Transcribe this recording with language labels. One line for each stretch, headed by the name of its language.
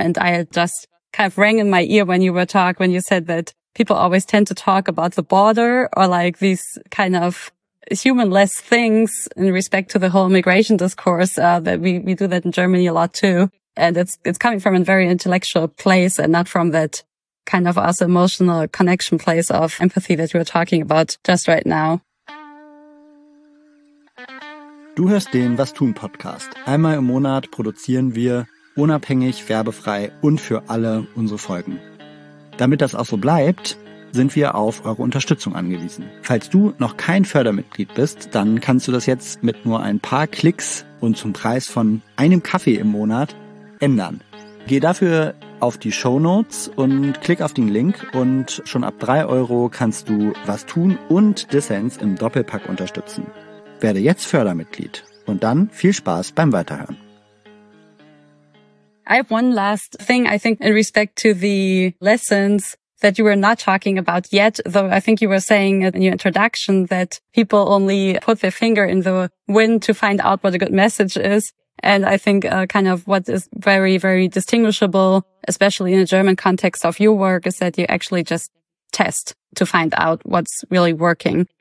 English: And I just kind of rang in my ear when you were talking, when you said that people always tend to talk about the border or like these kind of humanless things in respect to the whole immigration discourse, that we do that in Germany a lot too. And it's coming from a very intellectual place and not from that kind of us emotional connection place of empathy that we're talking about just right now.
German: Du hörst den Was tun Podcast. Einmal im Monat produzieren wir unabhängig, werbefrei und für alle unsere Folgen. Damit das auch so bleibt, sind wir auf eure Unterstützung angewiesen. Falls du noch kein Fördermitglied bist, dann kannst du das jetzt mit nur ein paar Klicks und zum Preis von einem Kaffee im Monat ändern. Geh dafür auf die Shownotes und klick auf den Link und schon ab 3 Euro kannst du Was tun und Dissens im Doppelpack unterstützen. Werde jetzt Fördermitglied und dann viel Spaß beim Weiterhören.
English: I have one last thing, I think, in respect to the lessons that you were not talking about yet, though I think you were saying in your introduction that people only put their finger in the wind to find out what a good message is. And I think kind of what is very, very distinguishable, especially in a German context of your work, is that you actually just test to find out what's really working.